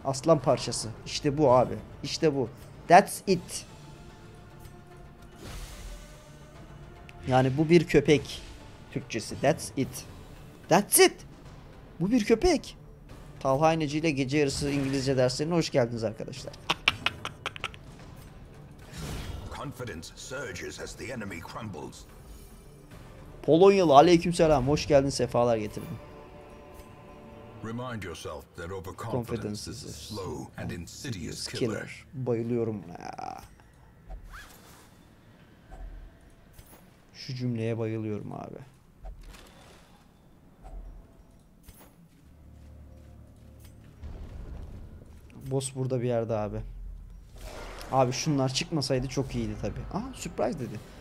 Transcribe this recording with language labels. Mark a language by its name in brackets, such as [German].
[Turkish] Aslan parçası. İşte bu abi. İşte bu. [English] That's it. [Turkish] Yani bu bir köpek. Türkçesi. [English] That's it. That's it. [Turkish] Bu bir köpek. Talha İneci ile gece yarısı İngilizce derslerine hoş geldiniz arkadaşlar. [English] Confidence surges as the enemy crumbles. [Turkish] Polonyalı aleykümselam, hoş geldin, sefalar getirdin. [English] Remind yourself that overconfidence is a slow and insidious killer. [Turkish] Bayılıyorum ya. Şu cümleye bayılıyorum abi. Boss burada bir yerde abi. Abi şunlar çıkmasaydı çok iyiydi tabi. Aha surprise dedi.